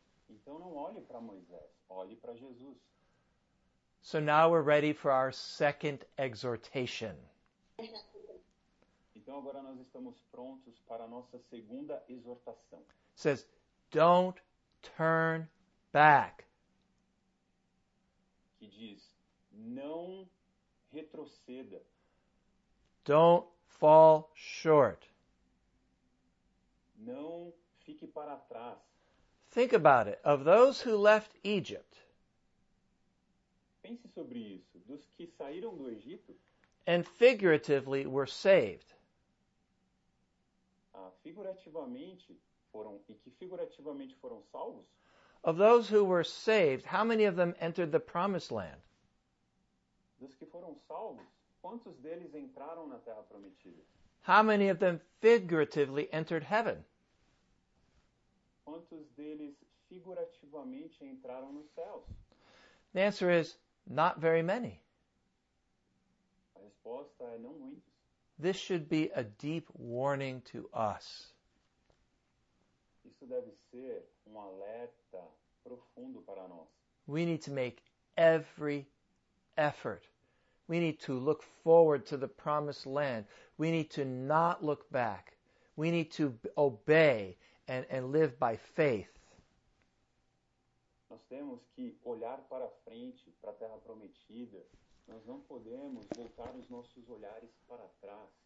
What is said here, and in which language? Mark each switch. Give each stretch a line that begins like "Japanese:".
Portuguese: Então não olhe para Moisés, olhe para Jesus.
English: So now we're ready for our second exhortation.
Portuguese: Então agora nós estamos prontos para a nossa segunda exortação.
English: It says, don't turn back.
Portuguese: Que diz, não retroceda.
English: Don't fall short.
Portuguese: Não fique para trás.
English: Think about it. Of those who left Egypt.
Portuguese: Pense sobre isso. Dos que saíram do Egito.
English: And figuratively were saved.
Portuguese: Figurativamente foram, e que figurativamente foram salvos.
English: Of those who were saved, how many of them entered the promised land?
Portuguese: Dos que foram salvos, quantos deles entraram na terra prometida?
English: How many of them figuratively entered heaven?
Portuguese: Quantos deles figurativamente entraram nos céus?
English: The answer is not very many.
Portuguese: A resposta é não muitos.
English: This should be a deep warning to us.
Portuguese: Isso deve ser um alerta profundo para nós.
English: We need to make every effort. We need to look forward to the promised land. We need to not look back. We need to obey and live by faith.
Portuguese: Nós temos que olhar para frente, para a terra prometida. Nós não podemos voltar os nossos olhares para trás.